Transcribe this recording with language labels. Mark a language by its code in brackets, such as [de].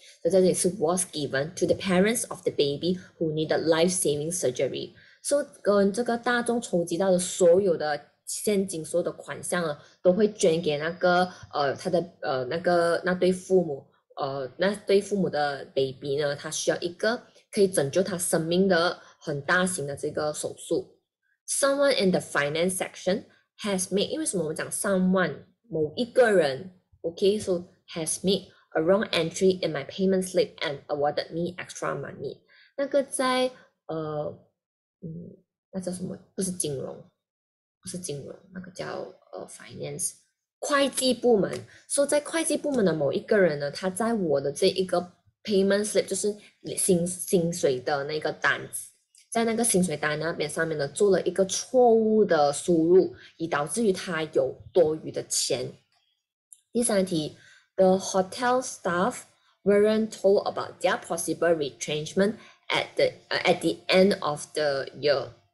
[zh] 所以在这里是 [en] was given to the parents of the baby who needed life saving surgery。 [zh] 所以跟这个大众筹集到的所有的现金，所有的款项呢，都会捐给那个他的那个那对父母那对父母的 baby 呢，他需要一个可以拯救他生命的。很大型的这个手术， [en] someone in the finance section has made， [zh] 因为什么我们讲 [en] someone [zh] 某一个人， [en] OK，so has made a wrong entry in my payment slip and awarded me extra money。 [zh] 那个在那叫什么？不是金融，不是金融，那个叫finance。会计部门，说在会计部门的某一个人呢，他在我的这一个 payment slip，就是薪水的那个单子，在那个薪水单那边上面呢，做了一个错误的输入，以导致于他有多余的钱。第三题， [en] The hotel staff weren't told about their possible retrenchment at the end of the year。